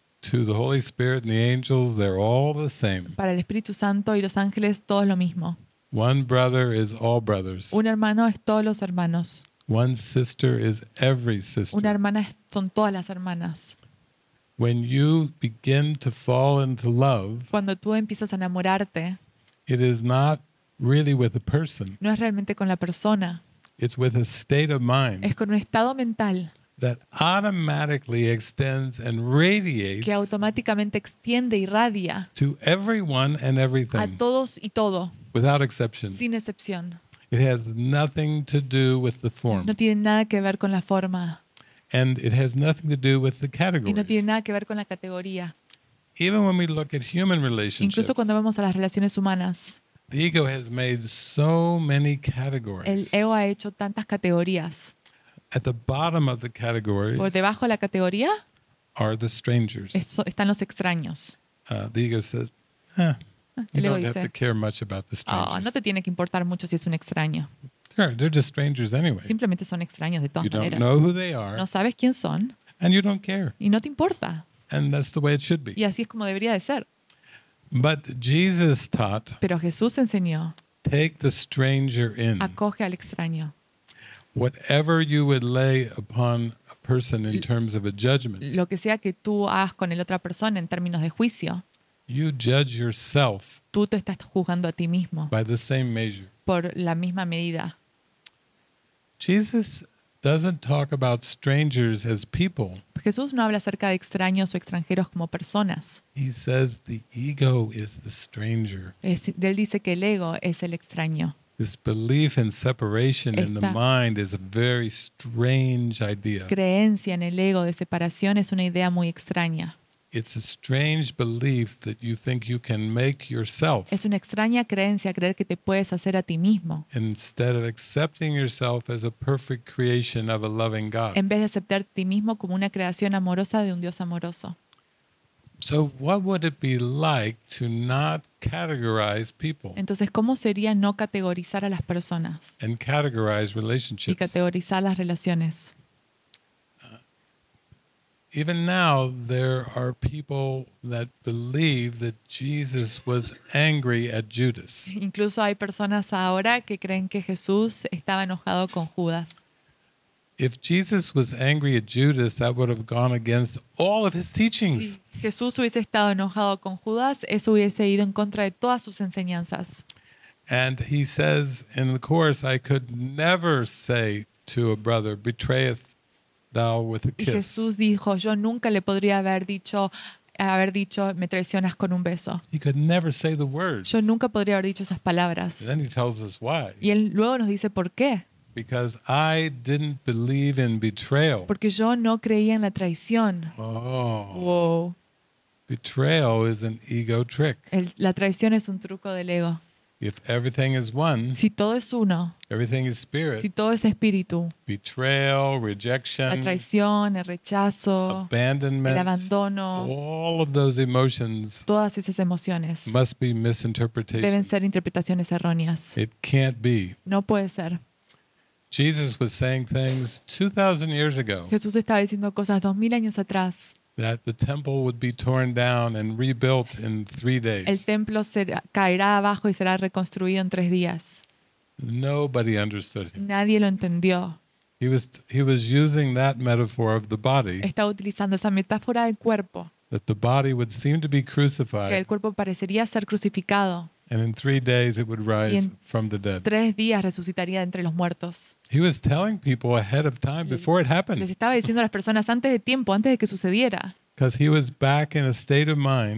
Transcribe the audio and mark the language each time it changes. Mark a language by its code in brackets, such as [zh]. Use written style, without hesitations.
[en] To the Holy Spirit and the angels, they're all the same. [es] Para el Espíritu Santo y los ángeles, todo es lo mismo. [en] One brother is all brothers. [es] Un hermano es todos los hermanos. [en] One sister is every sister. [es] Una hermana son todas las hermanas. [en] When you begin to fall into love, [es] cuando tú empiezas a enamorarte, [en] it is not really with a person. [es] No es realmente con la persona. [en] It's with a state of mind. [es] Es con un estado mental. [en] That automatically extends and radiates [es] que automáticamente extiende y radia [en] to everyone and everything, [es] a todos y todo, [en] without exception. [es] Sin excepción. [en] It has nothing to do with the form. [es] No tiene nada que ver con la forma. [en] And it has nothing to do with the categories. [es] Y no tiene nada que ver con la categoría. [en] Even when we look at human relationships, [es] incluso cuando vemos a las relaciones humanas, [en] the ego has made so many categories. [es] El ego ha hecho tantas categorías. [en] At the bottom of the categories, [es] por debajo de la categoría, [en] are the strangers. [es] Están los extraños. [en] The ego says, you don't have to care much about the strangers. [es] No te tiene que importar mucho si es un extraño. [en] They're just strangers anyway. [es] Simplemente son extraños de todas maneras. [en] You don't know who they are. [es] No sabes quién son. [en] And you don't care. [es] Y no te importa. [en] And that's the way it should be. [es] Y así es como debería de ser. [en] But Jesus taught. [es] Pero Jesús enseñó. [en] Take the stranger in. [es] Acoge al extraño. [en] Whatever you would lay upon a person in terms of a judgment, [es] lo que sea que tú hagas con el otra persona en términos de juicio, [en] you judge yourself, [es] tú te estás juzgando a ti mismo, [en] by the same measure, [es] por la misma medida. [en] Jesus doesn't talk about strangers as people. [es] Jesús no habla acerca de extraños o extranjeros como personas. [en] He says the ego is the stranger. [es] Él dice que el ego es el extraño. [en] This belief in separation in the mind is a very strange idea. [es] Creencia en el ego de separación es una idea muy extraña. [en] It's a strange belief that you think you can make yourself. [es] Es una extraña creencia creer que te puedes hacer a ti mismo. [en] Instead of accepting yourself as a perfect creation of a loving God. [es] En vez de aceptar a ti mismo como una creación amorosa de un Dios amoroso. [en] So what would it be like to not categorize people? [es] Entonces, ¿cómo sería no categorizar a las personas? [en] And categorize relationships. [es] Y categorizar las relaciones. [en] Even now, there are people that believe that Jesus was angry at Judas. [es] Incluso hay personas ahora que creen que Jesús estaba enojado con Judas. [en] If Jesus was angry at Judas, that would have gone against all of his teachings. [es] Si Jesús hubiese estado enojado con Judas, eso hubiese ido en contra de todas sus enseñanzas. [en] And he says in the course, I could never say to a brother, betrayeth thou with a kiss. [es] Y Jesús dijo, yo nunca le podría haber dicho, me traicionas con un beso. [en] He could never say the words. [es] Yo nunca podría haber dicho esas palabras. [en] And then he tells us why. [es] Y él luego nos dice por qué. [en] Because I didn't believe in betrayal. [es] Porque yo no creía en la traición. Oh. Wow. [en] Betrayal is an ego trick. [es] La traición es un truco del ego. [en] If everything is one, [es] si todo es uno, [en] everything is spirit, [es] si todo es espíritu, [en] betrayal, rejection, [es] la traición, el rechazo, [en] abandonment, [es] el abandono, [en] all of those emotions, [es] todas esas emociones, [en] must be misinterpretations. [es] Deben ser interpretaciones erróneas. [en] It can't be. [es] No puede ser. [en] Jesus was saying things 2,000 years ago. [es] Jesús estaba diciendo cosas 2,000 años atrás. [en] That the temple would be torn down and rebuilt in 3 days. [es] El templo se caerá abajo y será reconstruido en 3 días. [en] Nobody understood him. [es] Nadie lo entendió. [en] He was using that metaphor of the body. [es] Estaba utilizando esa metáfora del cuerpo. [en] That the body would seem to be crucified. [es] Que el cuerpo parecería ser crucificado. [en] And in 3 days it would rise from the dead. [es] 3 días resucitaría entre los muertos. [en] He was telling people ahead of time before it happened. [es] Les estaba diciendo a las personas antes de tiempo, antes de que sucediera. [en] Because he was back in a state of mind.